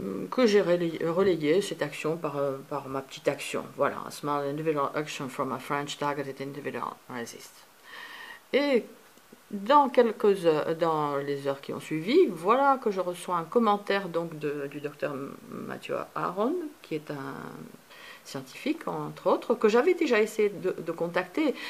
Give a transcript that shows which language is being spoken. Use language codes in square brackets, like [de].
[fr] Que j'ai relayé cette action par ma petite action. [en] Voilà, a small individual action from a French targeted individual racist. [fr] Et dans les heures qui ont suivi, voilà que je reçois un commentaire donc du docteur Matthew Aaron, qui est un scientifique, entre autres, que j'avais déjà essayé de contacter.